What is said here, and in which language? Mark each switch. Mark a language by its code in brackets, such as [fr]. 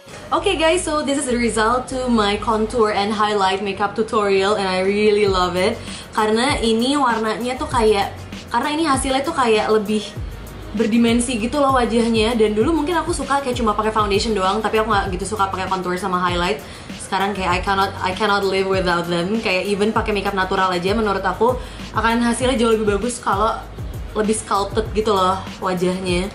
[en] Okay guys, so this is the result to my contour and highlight makeup tutorial, and I really love it. [id] Karena ini warnanya tuh kayak, karena ini hasilnya tuh kayak lebih berdimensi gitu loh wajahnya. Dan dulu mungkin aku suka kayak cuma pakai foundation doang, tapi aku nggak gitu suka pakai contour sama highlight. Sekarang kayak [en] I cannot live without them. [id] Kayak even pakai makeup natural aja, menurut aku akan hasilnya jauh lebih bagus kalau lebih sculpted gitu loh wajahnya.